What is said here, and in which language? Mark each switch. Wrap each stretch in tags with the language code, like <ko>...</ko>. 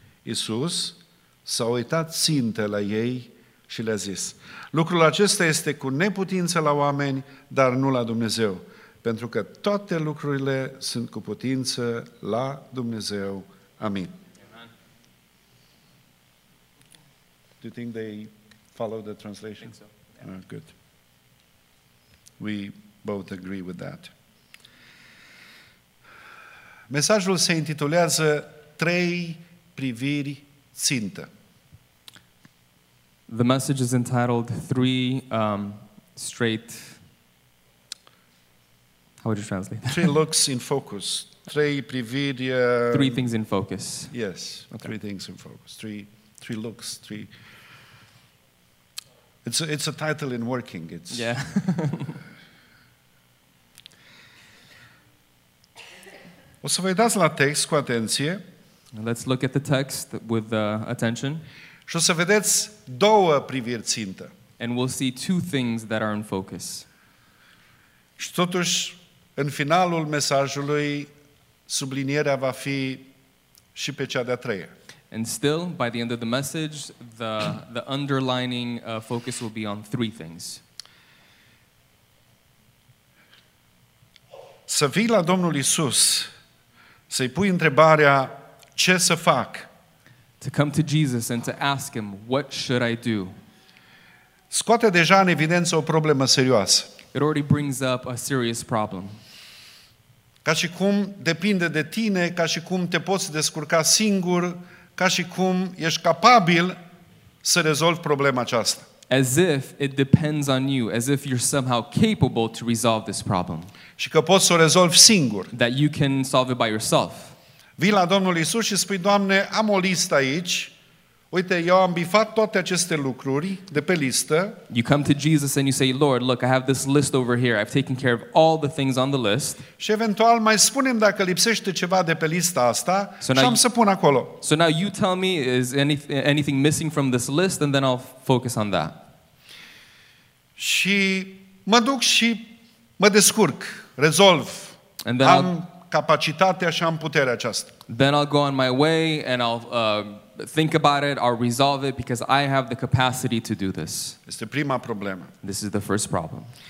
<ro>Iisus s-a uitat țintă la ei și le-a zis, lucrul acesta este cu neputință la oameni, dar nu la Dumnezeu, pentru că toate lucrurile sunt cu putință la Dumnezeu. Amin.</ro> <en>Do you think they follow the translation? Good. We both agree with that.</en> <ro>Mesajul se intitulează Trei priviri țintă.</ro> <en>The message is entitled Three straight. How would you translate that? Three looks in focus.</en> <ro>Trei priviri.</ro> <en>Three things in focus. Yes. Okay. Three things in focus. Three looks. Three. It's a title in working. It's yeah.</en> <ro>O să vă uitați la text cu atenție.</ro> <en>Let's look at the text with attention.</en> <ro>Și o să vedeți două priviri țintă.</ro> <en>And we'll see two things that are in focus.</en> <ro>Și totuși, în finalul mesajului, sublinierea va fi și pe cea de-a treia.</ro> <en>And still, by the end of the message, the underlining focus will be on three things.</en> <ro>Să vii la Domnul Iisus, să-i pui întrebarea, ce să fac?</ro> <en>To come to Jesus and to ask him, what should I do?</en> <ro>Scoate deja în evidență o problemă serioasă.</ro> <en>It already brings up a serious problem.</en> <ro>Ca și cum depinde de tine, ca și cum te poți descurca singur, ca și cum ești capabil să rezolvi problema aceasta.</ro> <en>As if it depends on you, as if you're somehow capable to resolve this problem.</en> <ro>Și că poți să o rezolvi singur.</ro> <en>That you can solve it by yourself.</en> <ro>Vii la Domnul Iisus și spui, Doamne, am o listă aici. Uite, eu am bifat toate aceste lucruri de pe listă.</ro> <en>You come to Jesus and you say, Lord, look, I have this list over here. I've taken care of all the things on the list.</en> <ro>Și eventual mai spunem dacă lipsește ceva de pe lista asta și am să pun acolo.</ro> <en>So now you tell me, is anything missing from this list? And then I'll focus on that.</en> <ro>Și mă duc și mă descurc, rezolv.</ro> <en>And then</en> <ro>am capacitatea și am puterea aceasta.</ro> <en>Then I'll go on my way and I'll think about it, I'll resolve it because I have the capacity to do this.</en> <ro>Este prima problemă.</ro> <en>This is the first problem.</en>